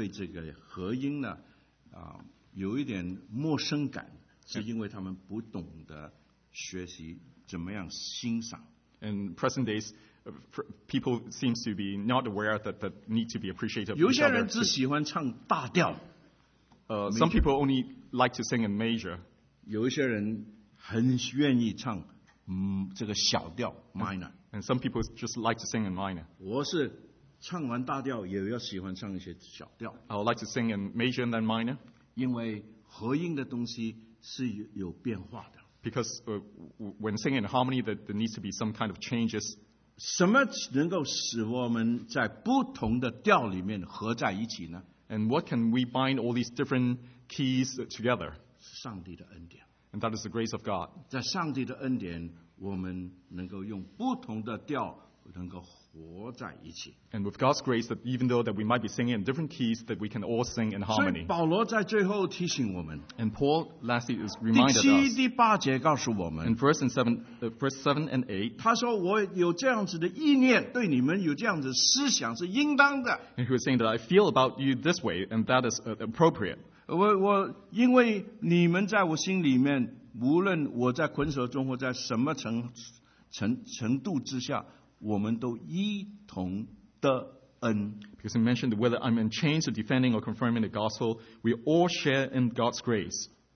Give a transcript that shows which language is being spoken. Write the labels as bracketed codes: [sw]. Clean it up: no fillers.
[zh] 这是为什么现代人对这个和音呢, 有一点陌生感, 是因为他们不懂得学习怎么样欣赏。 [en] In present days, people seem to be not aware that need to be appreciated. [zh] 有些人只喜欢唱大调, [en] some people only like to sing in major. [zh] 有些人很愿意唱, 这个小调, minor. [en] And some people just like to sing in minor. [zh] 我是唱完大调也要喜欢唱一些小调。 [en] I would like to sing in major and then minor. [zh] 因为和音的东西是有变化的。 [en] Because when singing in harmony, there needs to be some kind of changes. [zh] 什么能够使我们在不同的调里面合在一起呢? [en] And what can we bind all these different keys together? [zh] 上帝的恩典。 [en] And that is the grace of God. [zh] 在上帝的恩典，我们能够用不同的调能够合在一起。 [en] And with God's grace, that even though that we might be singing in different keys, that we can all sing in harmony. And Paul lastly is reminded us. In verse 7 and 8, and he was saying that I feel about you this way, and that is appropriate. [zh] 因为你们在我心里面, 无论我在捆锁中或在什么程度之下, 我们都一同的恩。 [en] Because he mentioned whether I'm in chains or defending or confirming the gospel, we all share in God's grace.